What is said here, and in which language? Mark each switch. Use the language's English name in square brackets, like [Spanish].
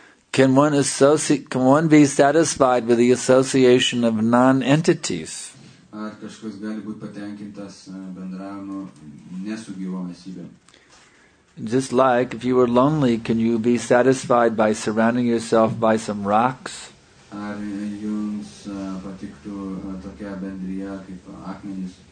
[English] Can one be satisfied with the association of non-entities? [Lithuanian] Ar kažkas gali būti patenkintas bendravimu ne su gyvom esybėm? [English] Just like if you were lonely, can you be satisfied by surrounding yourself by some rocks? [Lithuanian] Ar jums patiktų tokia bendrija kaip akmenys?